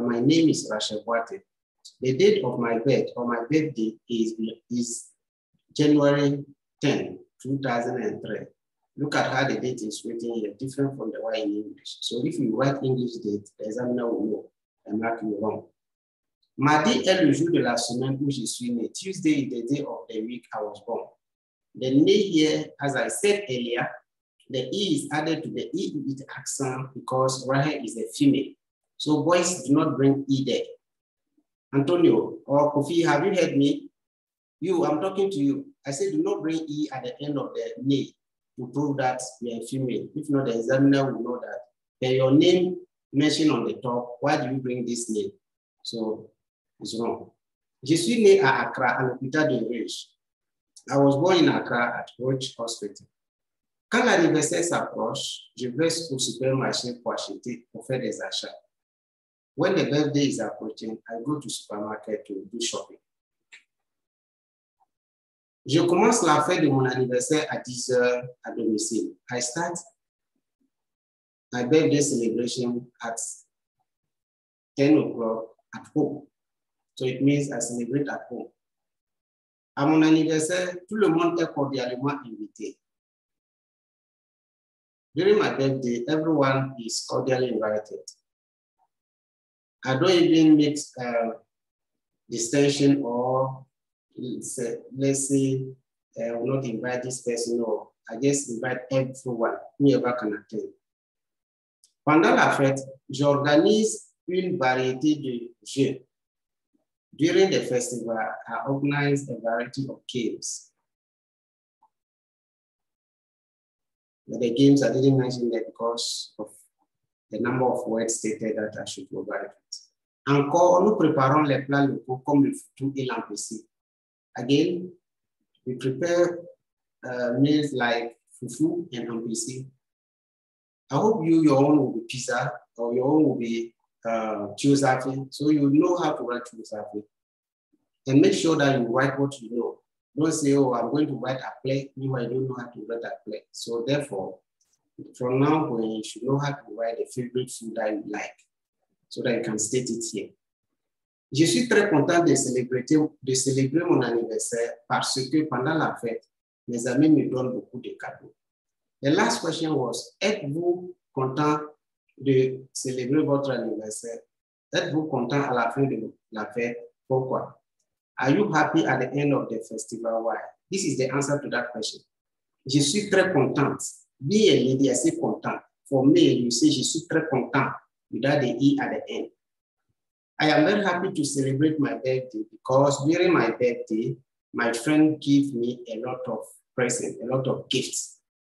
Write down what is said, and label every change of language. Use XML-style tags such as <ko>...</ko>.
<en>My name is Rachel Guate. The date of my birth or my birthday is January 10, 2003. Look at how the date is written here, different from the one in English. So if you write English date, the examiner will know I'm marking wrong.</en> <fr>Mardi est le jour de la semaine où je suis né.</fr> <en>Tuesday is the day of the week I was born. The name here, as I said earlier, the E is added to the E with accent because Rahel is a female. So boys do not bring E there. Antonio or Kofi, have you heard me? You, I'm talking to you. I said do not bring E at the end of the name to prove that you are a female. If not, the examiner will know that. Then your name mentioned on the top, why do you bring this name? So it's wrong.</en> <fr>Je suis né à Accra, à l'hôpital de Rich.</fr> <en>I was born in Accra at Roach Hospital.</en> <fr>Quand l'anniversaire s'approche, je vais au supermarché pour acheter, pour faire des achats.</fr> <en>When the birthday is approaching, I go to supermarket to do shopping.</en> <fr>Je commence la fête de mon anniversaire à 10 heures à domicile.</fr> <en>I start my birthday celebration at 10 o'clock at home. So it means I celebrate at home.</en> <fr>À mon anniversaire, tout le monde est cordialement invité.</fr> <en>During my birthday, everyone is cordially invited. I don't even make a distinction or let's say I will not invite this person or I just invite everyone, whoever can attend.</en> <fr>Pendant la fête, j'organise une variété de jeux.</fr> <en>During the festival, I organize a variety of games. The games I didn't mention that because of the number of words stated that I should provide it.</en> <fr>Encore, nous préparons les plats locaux comme le foutu et l'ambassé.</fr> <en>Again, we prepare meals like fufu and ambassé. I hope you, your own will be pizza or your own will be chiozafe, so you know how to write chiozafe. And make sure that you write what you know. Don't say, oh, I'm going to write a play. Meanwhile, you don't know how to write a play. So therefore, from now on, you should know how to write the favorite food that you like, so that you can state it here.</en> <fr>Je suis très content de célébrer mon anniversaire parce que pendant la fête, mes amis me donnent beaucoup de cadeaux.</fr> <en>The last question was,</en> <fr>êtes-vous content de célébrer votre anniversaire? Êtes-vous content à la fin de la fête? Pourquoi?</fr> <en>Are you happy at the end of the festival? Why? This is the answer to that question.</en> <fr>Je suis très content.</fr> <en>Being a lady, I say content. For me, you say</en> <fr>je suis très content.</fr> <en>Without the E at the end. I am very happy to celebrate my birthday because during my birthday, my friend gave me a lot of presents, a lot of gifts.</en>